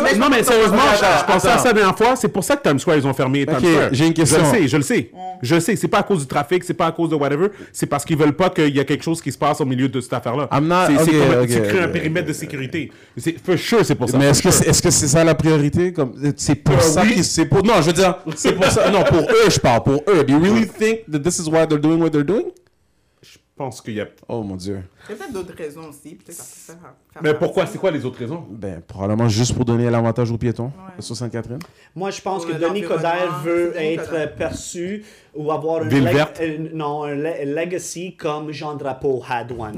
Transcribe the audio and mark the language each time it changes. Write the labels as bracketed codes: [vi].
[fr] Mais sérieusement, je pensais à ça la dernière fois. C'est pour ça que Times Square, ils ont fermé. Ok, j'ai une question. Je le sais. Je le sais. C'est pas à cause du trafic, c'est pas à cause de whatever. C'est parce qu'ils veulent pas qu'il y ait quelque chose qui se passe au milieu de cette affaire-là. C'est comme tu crées un périmètre de sécurité. C'est for sure, c'est pour ça. Mais est-ce que c'est ça la priorité? Comme, c'est pour ça. Oui. C'est pour. Non, je veux dire. C'est pour ça. Non, pour eux, je parle. Pour eux. [en] Do you really think that this is why they're doing what they're doing? [fr] Je pense qu'il y a... Oh mon Dieu. Il y a peut-être d'autres raisons aussi. Mais pourquoi? C'est quoi les autres raisons? Ben, probablement juste pour donner l'avantage aux piétons sur Sainte-Catherine. Moi, je pense que Denis Coderre veut être perçu ou avoir un legacy comme Jean Drapeau [en] had one.